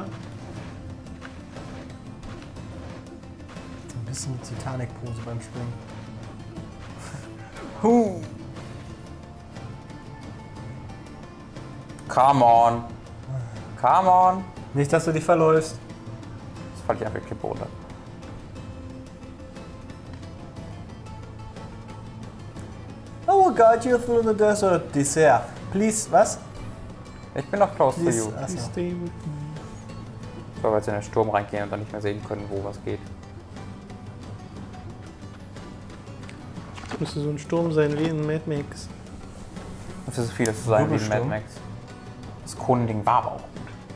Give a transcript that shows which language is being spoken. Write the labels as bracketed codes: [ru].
[de] Ein bisschen Titanic-Pose beim Springen. [en] Come on. Come on. [de] Nicht, dass du dich verläufst. Das fand ich einfach kippt runter. [en] I will guide you through the desert, Dessert. Please, [de] was? Ich bin noch [en] close please, to you. Please stay with me. [de] So, weil sie in den Sturm reingehen und dann nicht mehr sehen können, wo was geht. Das müsste so ein Sturm sein wie in Mad Max. Das müsste so viel zu sein wie in Mad Max. Das Kronending war aber auch gut.